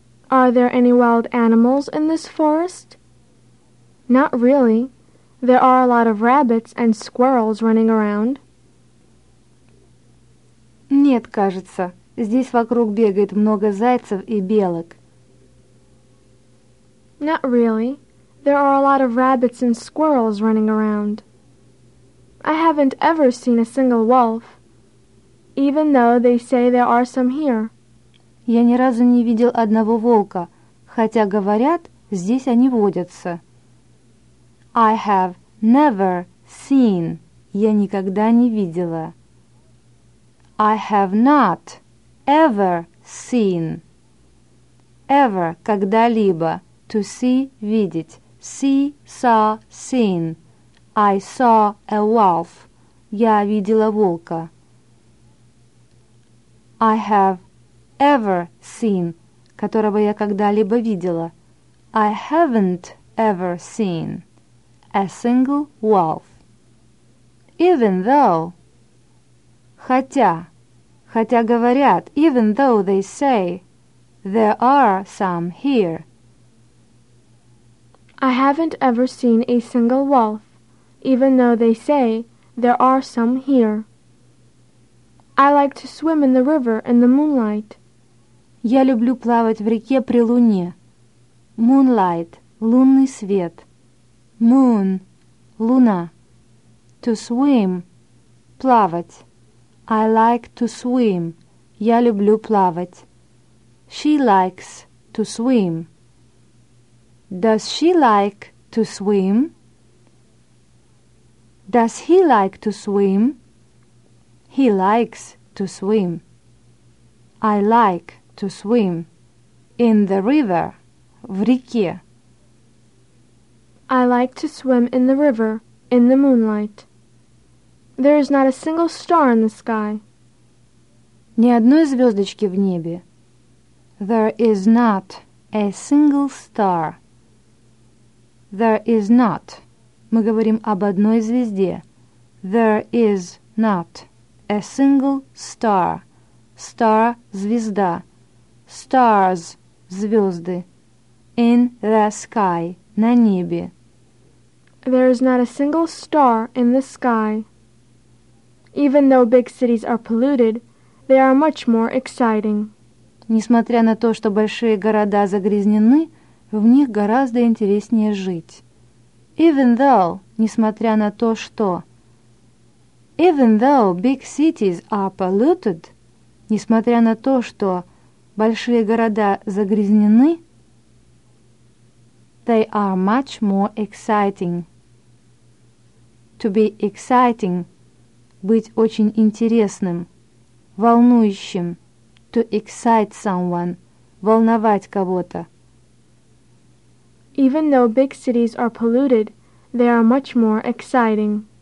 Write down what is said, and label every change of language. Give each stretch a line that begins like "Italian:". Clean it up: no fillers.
English: Are there any wild animals in this forest? Not really. There are a lot of rabbits and squirrels running around.
Russian: Нет, кажется. Здесь вокруг бегает много зайцев и белок.
English: Not really. There are a lot of rabbits and squirrels running around. I haven't ever seen a single wolf, even though they say there are some here.
Russian: Я ни разу не видел одного волка, хотя говорят, здесь они водятся.
English: I have never seen.
Russian: Я никогда не видела.
English: I have not ever seen. Ever – когда-либо. To see – видеть. See, saw, seen. I saw a wolf.
Russian: Я видела волка.
English: I have ever seen,
Russian: которого я когда-либо видела.
English: I haven't ever seen a single wolf. Even though,
Russian: хотя, хотя говорят,
English: even though they say, there are some here. I haven't ever seen a single wolf. Even though they say, there are some here. I like to swim in the river in the moonlight.
Russian: Я люблю плавать в реке при луне. Moonlight – лунный свет.
English: Moon –
Russian: Луна.
English: To swim. Плавать. I like to swim.
Russian: Я люблю плавать.
English: She likes to swim. Does she like to swim? Does he like to swim? He likes to swim. I like to swim. In the river.
Russian: В реке.
English: I like to swim in the river, in the moonlight. There is not a single star in the sky.
Russian: Ни одной звездочки в небе.
English: There is not a single star. There is not.
Russian: Мы говорим об одной звезде.
English: There is not a single star. Star – звезда. Stars – звезды. In the sky – на небе. There is not a single star in the sky. Even though big cities are polluted, they are much more exciting.
Russian: Несмотря на то, что большие города загрязнены, в них гораздо интереснее жить.
English: Even though,
Russian: несмотря на то, что.
English: Even though big cities are polluted,
Russian: несмотря на то, что большие города загрязнены,
English: they are much more exciting. To be exciting,
Russian: быть очень интересным, волнующим,
English: to excite someone,
Russian: волновать кого-то.
English: Even though big cities are polluted, they are much more exciting.